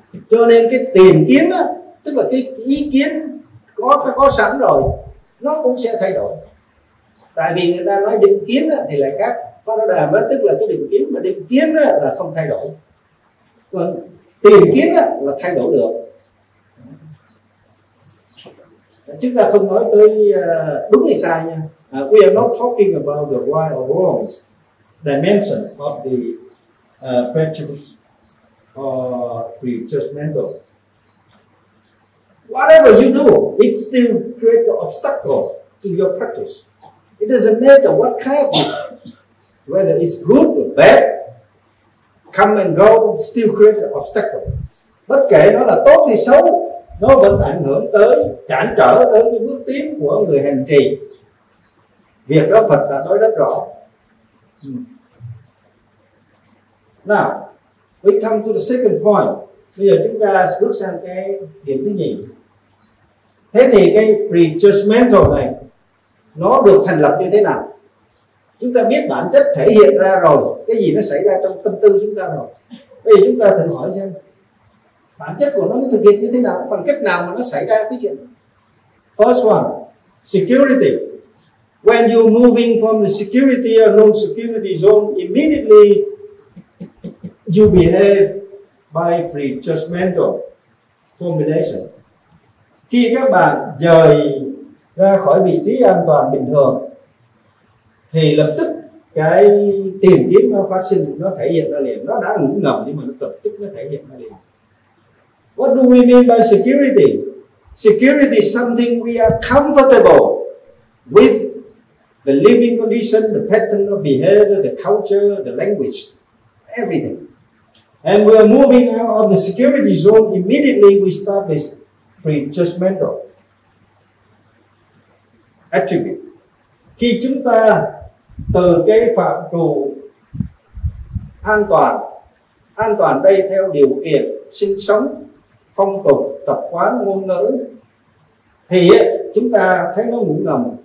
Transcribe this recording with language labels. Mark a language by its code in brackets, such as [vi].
[vi] Cho nên cái tìm kiếm đó, tức là cái ý kiến có sẵn rồi, nó cũng sẽ thay đổi. Tại vì người ta nói định kiến thì lại khác. Phát Đà Đàm đó, tức là cái định kiến, mà định kiến đó là không thay đổi, còn tiền kiến đó là thay đổi được. Chúng ta không nói tới đúng hay sai nha. [en] We are not talking about the right or wrong dimension of the prejudice or prejudgmental. Whatever you do, it still creates an obstacle to your practice. It doesn't matter what kind of, whether it's good or bad, come and go, still create an obstacle. [vi] Bất kể nó là tốt hay xấu, nó vẫn ảnh hưởng tới, cản trở tới cái bước tiến của người hành trì. Việc đó Phật đã nói rất rõ. [en] Now, we come to the second point. [vi] Bây giờ chúng ta bước sang cái điểm thứ nhì. Thế thì cái prejudgmental này nó được thành lập như thế nào? Chúng ta biết bản chất thể hiện ra rồi, cái gì nó xảy ra trong tâm tư chúng ta rồi. Bây giờ chúng ta thử hỏi xem bản chất của nó thực hiện như thế nào, bằng cách nào mà nó xảy ra cái chuyện. [en] First one, security. When you're moving from the security or non-security zone, immediately you behave by prejudgmental formulation. [vi] Khi các bạn rời ra khỏi vị trí an toàn bình thường thì lập tức cái tiềm kiến nó phát sinh, nó thể hiện ra liền. Nó đã ngủ ngầm nhưng mà nó lập tức nó thể hiện ra liền. [en] What do we mean by security? Security is something we are comfortable with the living condition, the pattern of behavior, the culture, the language, everything. And we are moving out of the security zone, immediately we start this prejudgmental attribute. [vi] Khi chúng ta từ cái phạm trù an toàn đây theo điều kiện sinh sống, phong tục, tập quán, ngôn ngữ, thì chúng ta thấy nó ngủ ngầm.